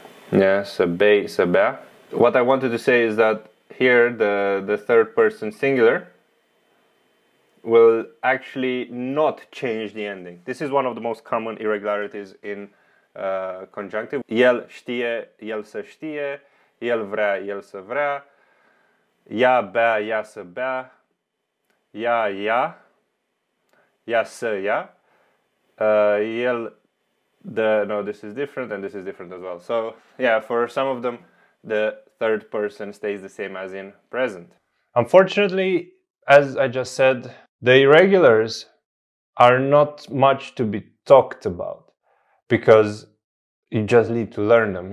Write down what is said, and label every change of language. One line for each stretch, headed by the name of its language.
English: Yeah, sabe. What I wanted to say is that here the third person singular will actually not change the ending. This is one of the most common irregularities in conjunctive.
Romanian: El știe, el să știe, el vrea, el să vrea, ea bea, ea să bea, ea ia, ea să ia, el...
English: this is different, and this is different as well. So, yeah, for some of them, the third person stays the same as in present. Unfortunately, as I just said, the irregulars are not much to be talked about, because you just need to learn them.